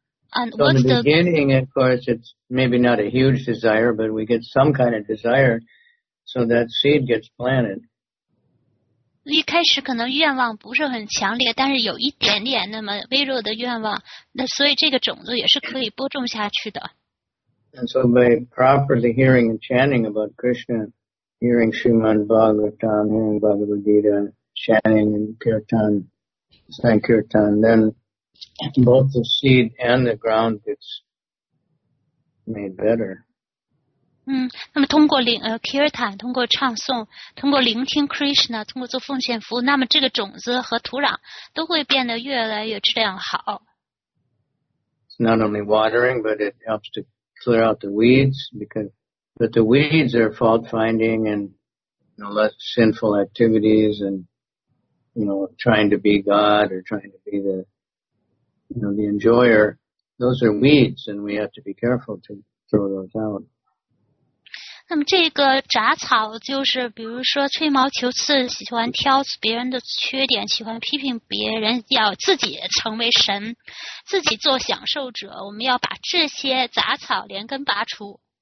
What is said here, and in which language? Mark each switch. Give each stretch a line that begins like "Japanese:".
English: So in the beginning, of course, it's maybe not a huge desire, but we get some kind of desire, so that seed gets planted.
Chinese: 一开始可能愿望不是很强烈，但是有一点点那么微弱的愿望，那所以这个种子也是可以播种下去的。
English: And so by properly hearing and chanting about Krishna, hearing Srimad Bhagavatam, hearing Bhagavad Gita, chanting and kirtan, sankirtan, then both the seed and the ground gets made better.
Chinese: 那么通过kirtan, 通过唱诵，通过聆听 Krishna, 通过做奉献服务，那么这个种子和土壤都会变得越来越质量好。
English: It's not only watering, but it helps to clear out the weeds, but the weeds are fault finding and, you know, less sinful activities and, you know, trying to be God or trying to be the, you know, the enjoyer, those are weeds, and we have to be careful to throw those out.
Chinese: 那么这个杂草就是比如说吹毛求疵，喜欢挑别人的缺点，喜欢批评别人，要自己成为神，自己做享受者，我们要把这些杂草连根拔除。